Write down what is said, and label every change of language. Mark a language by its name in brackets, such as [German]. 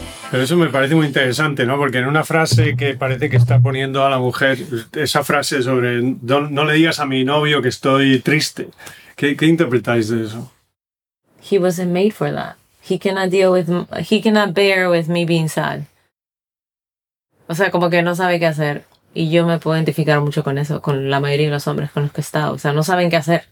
[Spanish] Pero eso me parece muy interesante, ¿no? Porque en una frase que parece que está poniendo a la mujer, esa frase sobre no le digas a mi novio que estoy triste. ¿Qué interpretáis de eso? [English] He wasn't made for that. He cannot bear with me being sad. [Spanish] O sea, como que no sabe qué hacer. Y yo me puedo identificar mucho con eso, con la mayoría de los hombres con los que he estado. O sea, no saben qué hacer.